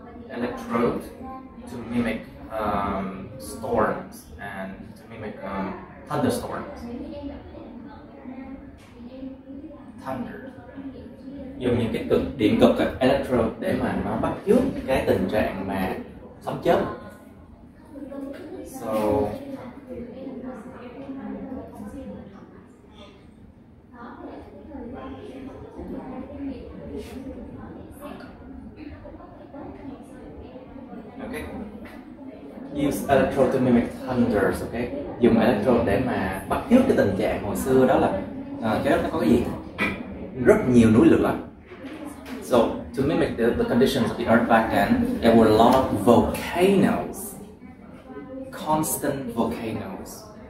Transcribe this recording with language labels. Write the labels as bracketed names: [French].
[English] Electrode to mimic storms and to mimic thunderstorms. Thunder. [Vietnamese] Dùng những cái cực điện cực là electrode để mà nó bắt chước cái tình trạng mà sóng chớp. [English] So okay, use electrode to mimic thunders, okay, [Vietnamese] dùng electrode để mà bắt chước cái tình trạng hồi xưa đó là trái đất nó có cái gì rất nhiều núi lửa. [English] So to mimic the conditions of the earth back then, there were a lot of volcanoes, constant volcanoes.